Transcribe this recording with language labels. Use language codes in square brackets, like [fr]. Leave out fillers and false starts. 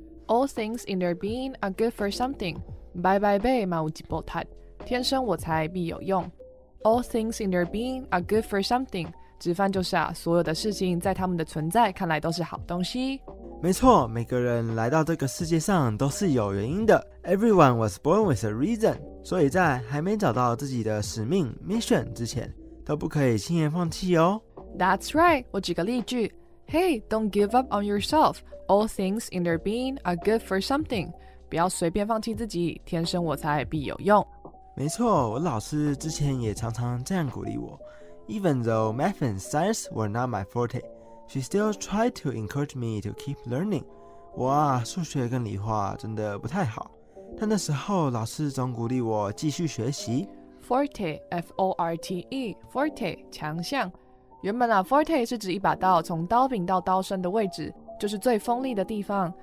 [en] All things in their being are good for something. [zh] Bye bye bye, 马无极波泰。天生我才必有用。 [en] All things in their being are good for something. [zh] 直翻就是啊，所有的事情在他们的存在看来都是好东西。没错，每个人来到这个世界上都是有原因的。 [en] Everyone was born with a reason. [zh] 所以在还没找到自己的使命 mission 之前，都不可以轻言放弃哦。 [en] That's right. [zh] 我举个例句。 [en] Hey, don't give up on yourself. All things in their being are good for something. [zh] 不要随便放弃自己，天生我才必有用。没错，我老师之前也常常这样鼓励我。 [en] Even though math and science were not my forte, she still tried to encourage me to keep learning. [zh] 我啊，数学跟理化真的不太好，但那时候老师总鼓励我继续学习。 [en] Forte, F-O-R-T-E, forte, 强项。 [zh] 原本啊 ，forte 是指一把刀，从刀柄到刀身的位置，就是最锋利的地方。